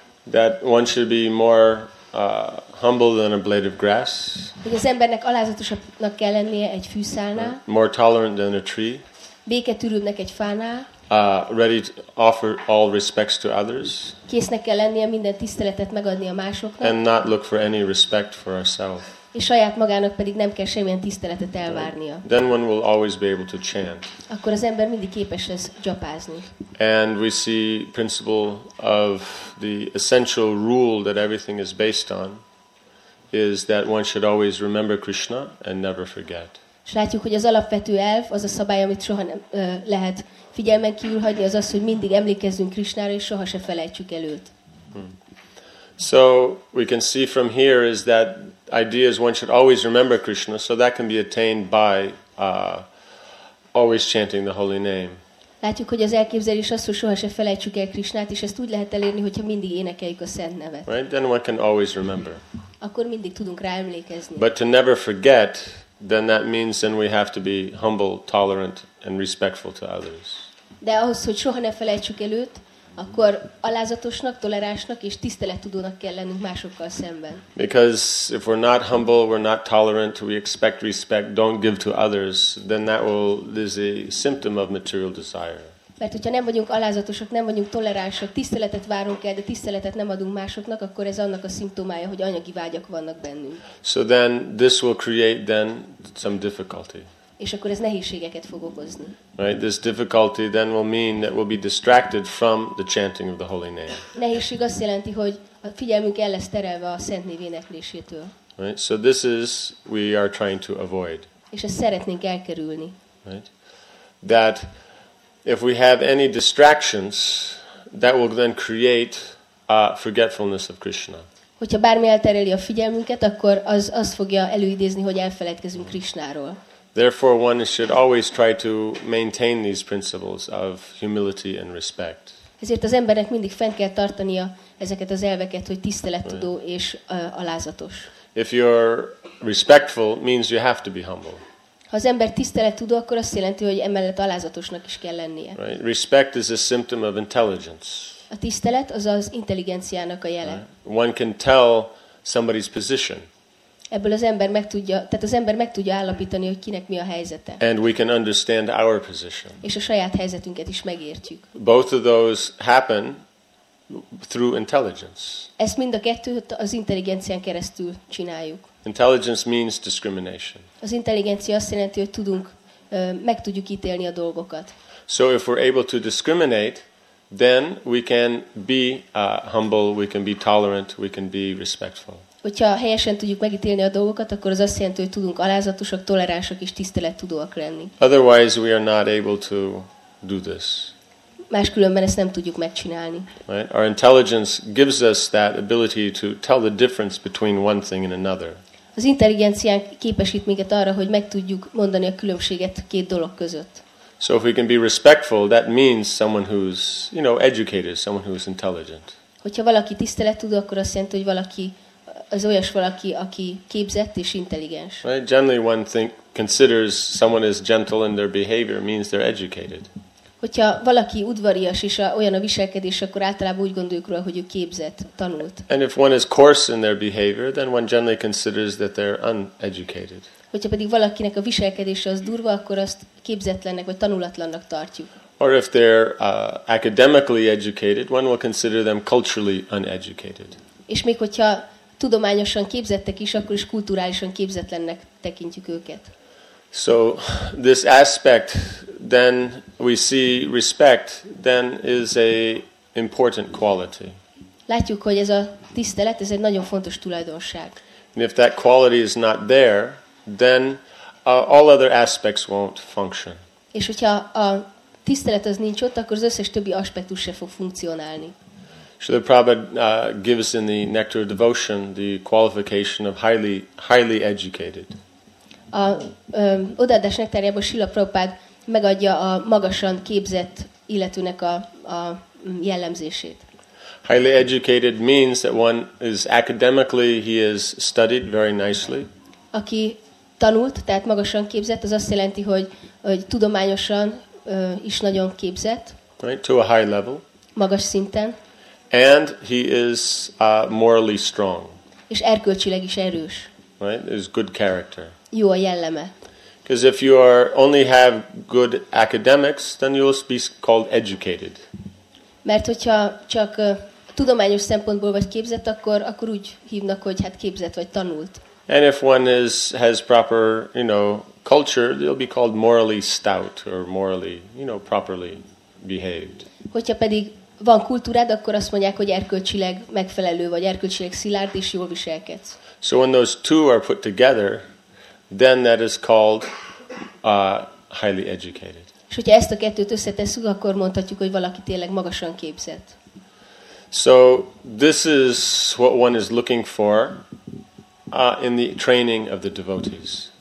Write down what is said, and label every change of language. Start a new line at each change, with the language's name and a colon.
English: That one should be more humble than a blade of grass.
Hungarian: Hogy az embernek alázatosabbnak kell lennie egy fűszálnál.
English: More tolerant than a tree.
Hungarian: Béketűrűbbnek egy fánál.
English: Ready to offer all respects to others.
Hungarian: Késznek kell lennie minden tiszteletet megadni a másoknak.
English: And not look for any respect for ourselves.
Hungarian: És saját magának pedig nem kell semmilyen tiszteletet elvárnia.
English: Then one will always be able to chant.
Hungarian: Akkor az ember mindig képes lesz japázni.
English: And we see principle of the essential rule that everything is based on is that one should always remember Krishna and never forget.
Hungarian: És látjuk, hogy az alapvető elv, az a szabály, amit soha nem lehet figyelmen kívül hagyni, az az, hogy mindig emlékezzünk Krishnára és soha se felejtsük el őt.
English: So we can see from here is that idea is one should always remember Krishna, so that can be attained by always chanting the holy name.
Hungarian: Látjuk, hogy az elképzelés az, hogy soha se felejtsük el Krishnát, és ezt úgy lehet elérni, hogyha mindig énekeljük a szent nevet.
English: Right? Then one can always remember.
Hungarian: Akkor mindig tudunk rá emlékezni.
English: But to never forget, then that means then we have to be humble, tolerant and respectful to others.
Hungarian: De ahhoz, hogy soha ne felejtsük el őt, akkor alázatosnak, tolerásnak és tisztelettudónak kell lennünk másokkal szemben.
English: Because if we're not humble, we're not tolerant, we expect respect, don't give to others, then that will is a symptom of material desire.
Hungarian: Mert hogyha nem vagyunk alázatosak, nem vagyunk toleránsak, tiszteletet várunk el, de tiszteletet nem adunk másoknak, akkor ez annak a szimptomája, hogy anyagi vágyak vannak bennünk.
English: So then this will create then some difficulty.
Hungarian: És akkor ez nehézségeket fog okozni.
English: Right, this difficulty then will mean that we'll be distracted from the chanting of the holy name.
Hungarian: Nehézség azt jelenti, hogy a figyelmünk el lesz terelve a szent név éneklésétől.
English: Right, so this is we are trying to avoid.
Hungarian: És ezt szeretnénk elkerülni.
English: Right, that if we have any distractions, that will then create a forgetfulness of Krishna.
Hungarian: Hogyha bármi eltereli a figyelmünket, akkor az azt fogja előidézni, hogy elfeledkezünk Krishnáról.
English: Therefore, one should always try to maintain these principles of humility and respect.
Hungarian: Ezért az embernek mindig fent kell tartania ezeket az elveket, hogy tisztelettudó és alázatos.
English: If you're respectful, means you have to be humble.
Hungarian: Ha az ember tisztelettudó, akkor azt jelenti, hogy emellett alázatosnak is kell lennie.
English: Right? Respect is a symptom of intelligence.
Hungarian: A tisztelet az az intelligenciának a jele.
English: Right? One can tell somebody's position.
Hungarian: Ebből az ember meg tudja, tehát az ember meg tudja állapítani, hogy kinek mi a helyzete.
English: And we can understand our position.
Hungarian: És a saját helyzetünket is megértjük.
English: Both of those happen through intelligence.
Hungarian: Ezt mind a kettőt az intelligencián keresztül csináljuk.
English: Intelligence means discrimination.
Hungarian: Az intelligencia azt jelenti, hogy tudunk meg tudjuk ítélni a dolgokat.
English: So if we're able to discriminate, then we can be humble, we can be tolerant, we can be respectful.
Hungarian: Hogyha helyesen tudjuk megítélni a dolgokat, akkor az azt jelenti, hogy tudunk alázatosak, toleránsak és tisztelettudóak lenni.
English: Otherwise we are not able to do this.
Hungarian: Máskülönben ezt nem tudjuk megcsinálni.
English: Right? Our intelligence gives us that ability to tell the difference between one thing and another.
Hungarian: Az intelligenciánk képesít minket arra, hogy meg tudjuk mondani a különbséget két dolog között.
English: So if we can be respectful, that means someone who's, you know, educated, someone who's intelligent.
Hungarian: Hogyha valaki tisztelettudó, akkor azt jelenti, hogy valaki az olyas valaki, aki képzett és intelligens.
English: Right? Generally one think considers someone is gentle in their behavior means they're educated.
Hungarian: Hogyha valaki udvarias és olyan a viselkedés, akkor általában úgy gondoljuk róla, hogy ő képzett, tanult.
English: And if one is coarse in their behavior, then one generally considers that they're uneducated.
Hungarian: Hogyha pedig valakinek a viselkedése az durva, akkor azt képzetlennek vagy tanulatlannak tartjuk.
English: Or if they're academically educated, one will consider them culturally uneducated.
Hungarian: És még hogyha tudományosan képzettek is, akkor is kulturálisan képzetlennek tekintjük őket.
English: So this aspect then we see respect then is a important quality.
Hungarian: Látjuk, hogy ez a tisztelet, ez egy nagyon fontos tulajdonság.
English: And if that quality is not there, then all other aspects won't function.
Hungarian: És hogyha a tisztelet az nincs ott, akkor az összes többi aspektus se fog funkcionálni.
English: Srila Prabhupada gives in the Nectar of Devotion the qualification of highly educated.
Hungarian: A odaadás nektárjában Srila Prabhupada megadja a magasan képzett illetőnek a jellemzését.
English: Highly educated means that one is academically he is studied very nicely.
Hungarian: Aki tanult, tehát magasan képzett, az azt jelenti, hogy, hogy tudományosan is nagyon képzett.
English: Right, to a high level.
Hungarian: Magas szinten.
English: And he is morally strong.
Hungarian: És erkölcsileg is erős.
English: Right, is good character.
Hungarian: Jó a jelleme.
English: Because if you are only have good academics, then you'll be called educated.
Hungarian: Mert hogyha csak tudományos szempontból vagy képzett, akkor úgy hívnak, hogy hát képzett vagy tanult.
English: And if one is has proper, you know, culture, they'll be called morally stout or morally, you know, properly behaved.
Hungarian: Hogyha pedig van kultúrád, akkor azt mondják, hogy erkölcsileg megfelelő vagy erkölcsileg szilárd és jól viselkedsz.
English: So when those two are put together, then that is called highly educated.
Hungarian: És hogyha ezt a kettőt összetesszük, akkor mondhatjuk, hogy valaki tényleg magasan képzett.
English: So this is what one is looking for in the training of the devotees.